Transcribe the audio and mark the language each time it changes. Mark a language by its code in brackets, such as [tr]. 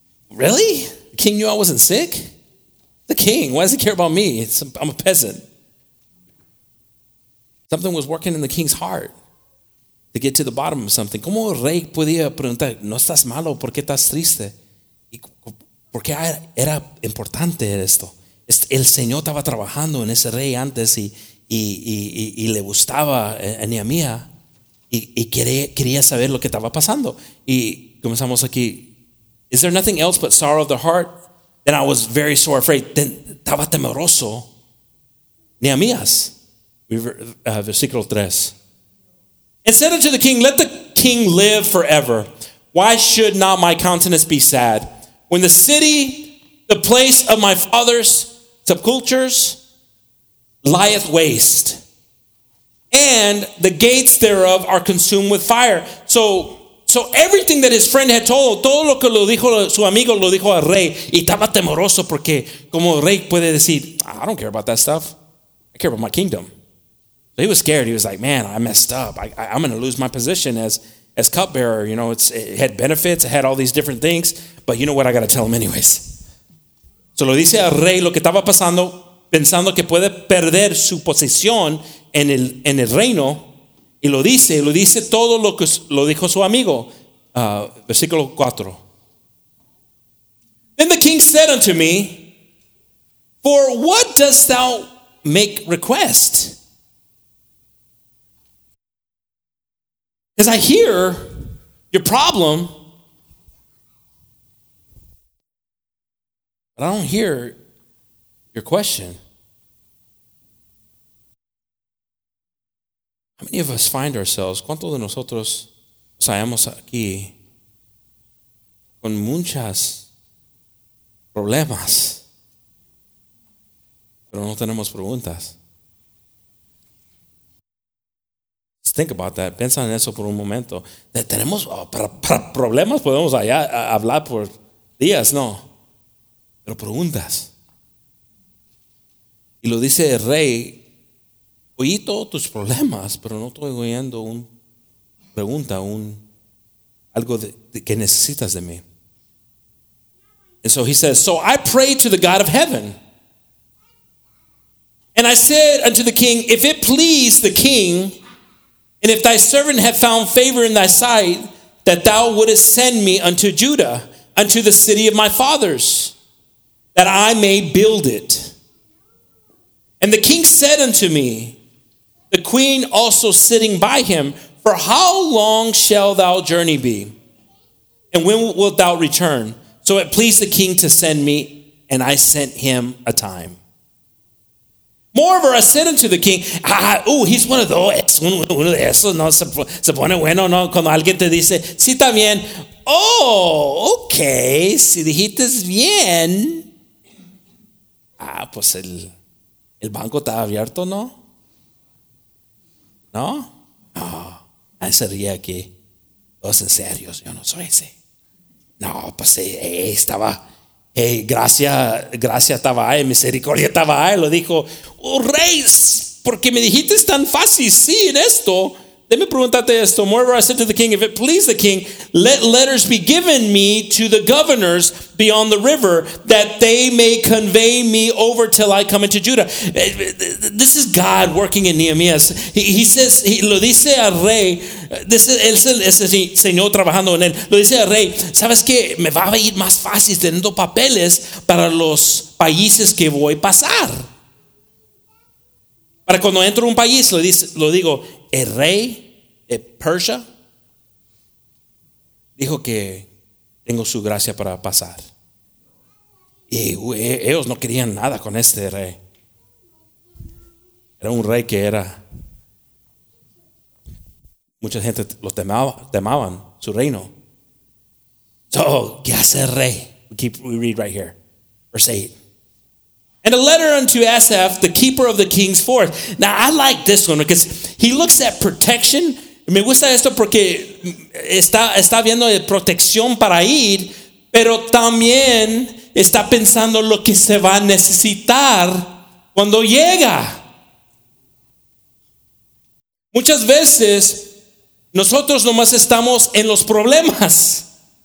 [en] Really? The king knew I wasn't sick? The king, why does he care about me? I'm a peasant. Something was working in the king's heart to get to the bottom of something. [es] ¿Cómo el rey podía preguntar, no estás malo, por qué estás triste? ¿Por qué era importante esto? El Señor estaba trabajando en ese rey antes y le gustaba a Nehemiah. Y quería saber lo que estaba pasando. Y comenzamos aquí. [en] Is there nothing else but sorrow of the heart? Then I was very sore afraid. Then [es] estaba temeroso. [en] Nehemías. [es] Versículo 3. [en] And said unto the king, let the king live forever. Why should not my countenance be sad? When the city, the place of my father's sepulchres, lieth waste, and the gates thereof are consumed with fire. So everything that his friend had told, [es] todo lo que lo dijo su amigo, lo dijo al rey, y estaba temeroso porque como el rey puede decir, [en] I don't care about that stuff. I care about my kingdom. So he was scared. He was like, man, I messed up. I'm going to lose my position as cupbearer. You know, it had benefits. It had all these different things. But you know what? I got to tell him anyways. [es] So lo dice al rey lo que estaba pasando, pensando que puede perder su posición en el reino, y lo dice todo lo que lo dijo su amigo. Versículo 4. [en] Then the king said unto me, for what dost thou make request? Because I hear your problem, but I don't hear your question. How many of us find ourselves, [es] cuántos de nosotros estamos aquí con muchas problemas, pero no tenemos preguntas? [en] Just think about that. [es] Piensa en eso por un momento. Tenemos problemas, podemos hablar por días, no. Pero preguntas. Y lo dice el rey, oí todos tus problemas, pero no estoy oyendo una pregunta, algo que necesitas de mí. [en] And so he says, so I prayed to the God of heaven. And I said unto the king, if it please the king, and if thy servant have found favor in thy sight, that thou wouldest send me unto Judah, unto the city of my fathers, that I may build it. And the king said unto me, the queen also sitting by him, for how long shall thou journey be? And when wilt thou return? So it pleased the king to send me, and I sent him a time. Moreover, I said unto the king, he's one of those. [es] Uno de esos, no, se pone bueno, no, cuando alguien te dice, sí, también. Oh, okay, si dijiste bien. Pues el banco está abierto, ¿no? ¿No? No, ahí se ríe aquí. Todos en serio, yo no soy ese. No, pues estaba, gracia estaba ahí, misericordia estaba ahí. Lo dijo, oh, rey, porque me dijiste tan fácil, sí, en esto. Déjame preguntarte esto. [en] Moreover, I said to the king, if it please the king, let letters be given me to the governors beyond the river, that they may convey me over till I come into Judah. This is God working in Nehemiah. He says, he [es] lo dice al rey, [en] this is [es] el Señor trabajando en él. Lo dice al rey, ¿sabes qué? Me va a ir más fácil teniendo papeles para los países que voy a pasar. Para cuando entro un país, lo digo, el rey de Persia dijo que tengo su gracia para pasar. Y ellos no querían nada con este rey. Era un rey que era, mucha gente lo temaban, su reino. [en] So, [es] ¿qué hace el rey? [en] We read right here, verse 8. And a letter unto Asaph, the keeper of the king's forest. Now, I like this one because he looks at protection. [es] Me gusta esto porque está viendo de protección para ir, pero también está pensando lo que se va a necesitar cuando llega. Muchas veces, nosotros nomás estamos en los problemas.